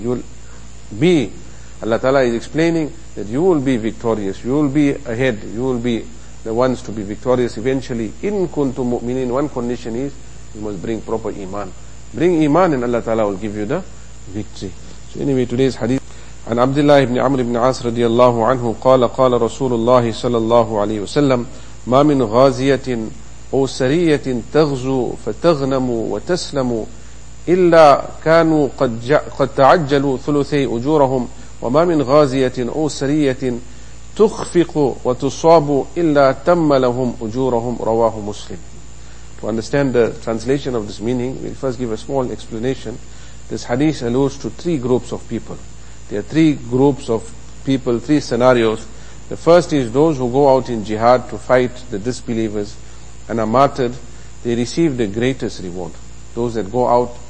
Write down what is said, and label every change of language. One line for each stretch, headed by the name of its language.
English: You'll be, Allah Ta'ala is explaining that you will be victorious. You will be ahead. You will be the ones to be victorious eventually.
Arabic: إِن كُنْتُمْ مُؤْمِنِينَ.
English: One condition is you must bring proper iman. Bring iman and Allah Ta'ala will give you the victory. So anyway, today's hadith.
Arabic: عن عبد الله بن عمرو بن عاص رضي الله عنه قال قال رسول الله صلى الله عليه وسلم ما من غازية أو سرية تغزو فتغنم وتسلم إلا كانوا قد تعجلوا ثلثي أجورهم وما من غازية أو سرية تخفق وتصاب إلا تم لهم أجورهم رواه مسلم.
English: To understand the translation of this meaning, we'll first give a small explanation. This hadith alludes to three groups of people. There are three groups of people, three scenarios. The first is those who go out in jihad to fight the disbelievers and are martyred. They receive the greatest reward. Those that go out